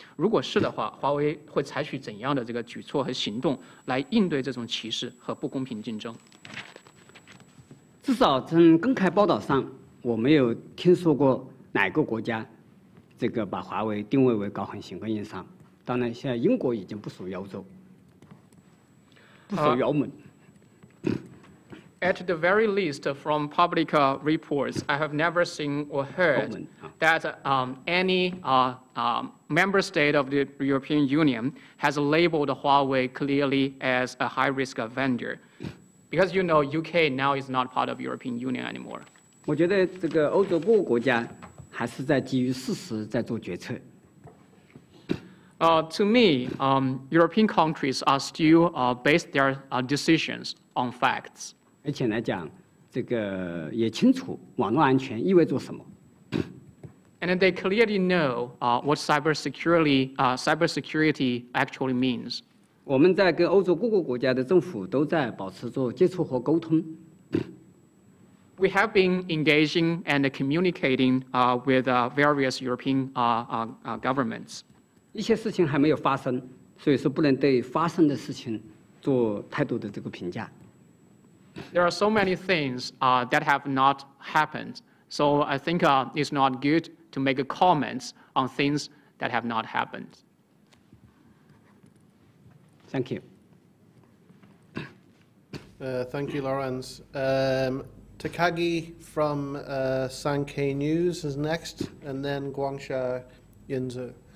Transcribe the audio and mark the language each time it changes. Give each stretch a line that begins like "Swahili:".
Chinese: 如果是的话，华为会采取怎样的这个举措和行动来应对这种歧视和不公平竞争？至少从公开报道上，我没有听说过哪个国家这个把华为定位为高风险供应商。当然现在英国已经不属于欧洲，不属于欧盟。
English: At the very least, from public reports, I have never seen or heard that any member state of the European Union has labeled Huawei clearly as a high-risk vendor. Because you know, UK now is not part of European Union anymore.
Chinese: 我觉得这个欧洲各个国家还是在基于事实在做决策。
English: To me, European countries are still based their decisions on facts.
Chinese: 而且来讲，这个也清楚网络安全意味着什么。
English: And they clearly know what cybersecurity actually means.
Chinese: 我们在跟欧洲各个国家的政府都在保持着接触和沟通。
English: We have been engaging and communicating with various European governments.
Chinese: 一些事情还没有发生，所以说不能对发生的事情做太多的这个评价。
English: There are so many things that have not happened, so I think it's not good to make comments on things that have not happened. Thank you. Thank you, Laurence. Takagi from Sankei News is next, and then Guangsha Yinzu.